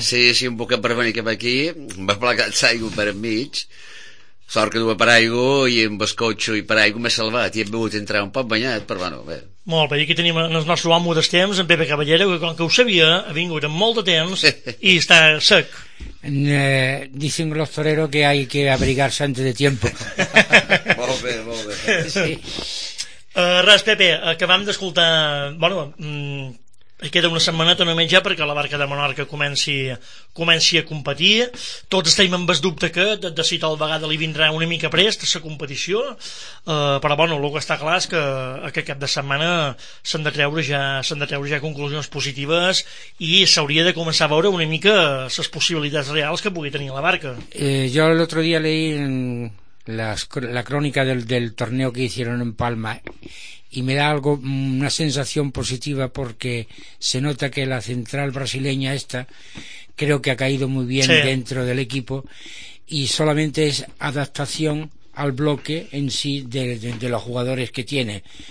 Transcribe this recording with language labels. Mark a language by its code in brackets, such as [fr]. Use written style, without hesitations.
[ca] Sí, un poquet per venir cap aquí. M'ha plegat l'aigua per enmig. Sort que duia paraigua i amb el cotxe i paraigua m'he salvat i he pogut entrar un poc banyat, però bueno, bé. Molt bé, aquí tenim el nostre home dels temps, en Pepe Caballero, que com que ho sabia, ha vingut amb molt de temps i està sec. [es] Dicen los toreros que hay que abrigarse antes de tiempo. [ca] Molt bé. Sí. Res, Pepe, acabam d'escoltar... Bueno, queda una setmaneta només ja perquè la Barca de Menorca comenci a competir. Tots estem amb el dubte que de si tal vegada li vindrà una mica prest a la competició, però bueno, el que està clar és que cap de setmana s'han de treure ja conclusions positives i s'hauria de començar a veure una mica les possibilitats reals que pugui tenir la Barca. Jo l'altre dia [es] leí la crònica del torneo que hicieron en Palma y me da algo, una sensación positiva, porque se nota que la central brasileña esta creo que ha caído muy bien, sí, dentro del equipo, y solamente es adaptación al bloque en sí de los jugadores que tiene.